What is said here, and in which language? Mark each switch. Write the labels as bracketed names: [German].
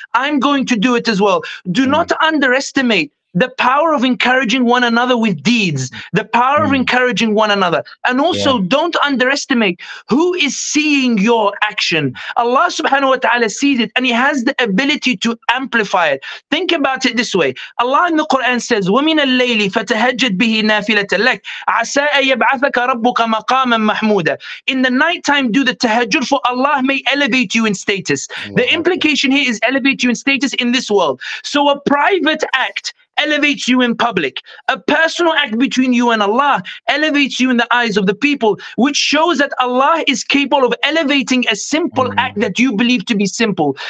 [English] I'm going to do it as well. Do not underestimate the power of encouraging one another with deeds, the power of encouraging one another. And also don't underestimate who is seeing your action. Allah subhanahu wa ta'ala sees it and He has the ability to amplify it. Think about it this way. Allah in the Quran says, [Arabic] وَمِنَ اللَّيْلِ فَتَهَجَّدْ بِهِ نَافِلَةً لَكَ عَسَىٰ أَن يَبْعَثَكَ رَبُّكَ مَقَامًا مَحْمُودًا. [English] In the nighttime, do the tahajjud, for Allah may elevate you in status. The implication here is elevate you in status in this world. So a private act elevates you in public. A personal act between you and Allah elevates you in the eyes of the people, which shows that Allah is capable of elevating a simple act that you believe to be simple.